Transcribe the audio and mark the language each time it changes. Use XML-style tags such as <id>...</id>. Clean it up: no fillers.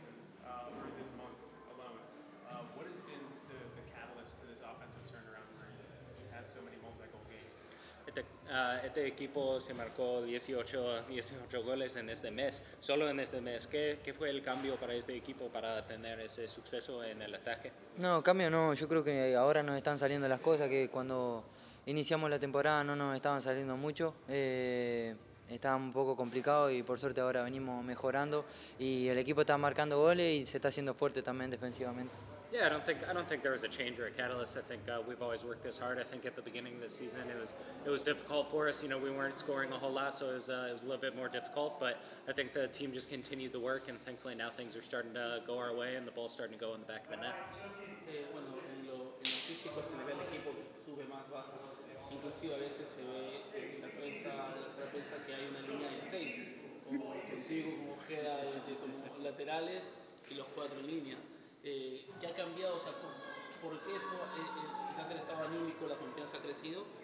<en>What has been the catalyst to this offensive turnaround where you had so many multi-goal games?</en> <es>Este equipo se marcó 18 goles en este mes. Solo en este mes. ¿Qué fue el cambio para este equipo para tener ese suceso en el ataque? No, cambio no. Yo creo que ahora nos están saliendo las cosas que cuando iniciamos la temporada no nos estaban saliendo mucho. Estaba un poco complicado y por suerte ahora venimos mejorando y el equipo está marcando goles y se está haciendo fuerte también defensivamente.</es> <en>Yeah, I don't think there was a change or a catalyst. I think we've always worked this hard. I think at the beginning of the season it was difficult for us. You know, we weren't scoring a whole lot, so it was a little bit more difficult. But I think the team just continued to work, and thankfully now things are starting to go our way, and the ball's starting to go in the back of the net.</en> <es>Bueno, en lo físico se ve el equipo sube más bajo, inclusive a veces se ve la prensa que hay una línea de seis, contigo como Ojeda de como laterales y los cuatro en línea. ¿Qué ha cambiado? O sea, ¿por qué eso? Quizás el estado anímico, la confianza ha crecido.</es>